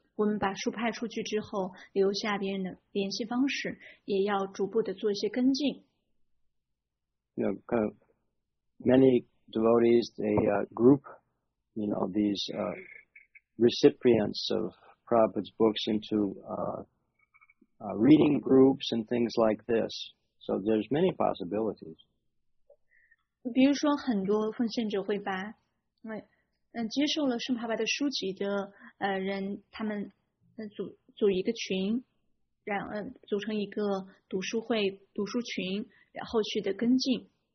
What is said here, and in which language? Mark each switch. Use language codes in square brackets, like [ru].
[zh] 我们把书派出去之后，留下别人的联系方式，也要逐步的做一些跟进。 [en] You know, many devotees, they group, you know, these recipients of. Prabhupada's books into reading groups and things like this. So there's many possibilities. [zh] 比如说很多奉献者会把接受了圣帕巴的书籍的人他们 组一个群然后组成一个读书会读书群然后去的跟进。